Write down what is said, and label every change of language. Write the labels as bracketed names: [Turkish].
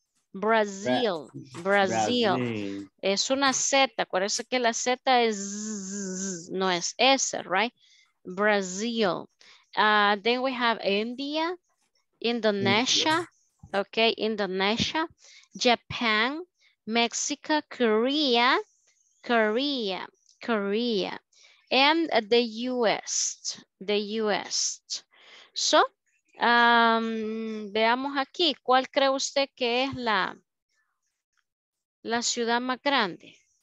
[Spanish] Es una Z, acuérdense que la Z es no es S, right? [English] Brazil. Then we have India, Indonesia, okay, Indonesia, Japan, Mexico, Korea, and the US, the US. [Spanish] So, veamos aquí, ¿cuál cree usted que es la ciudad más grande?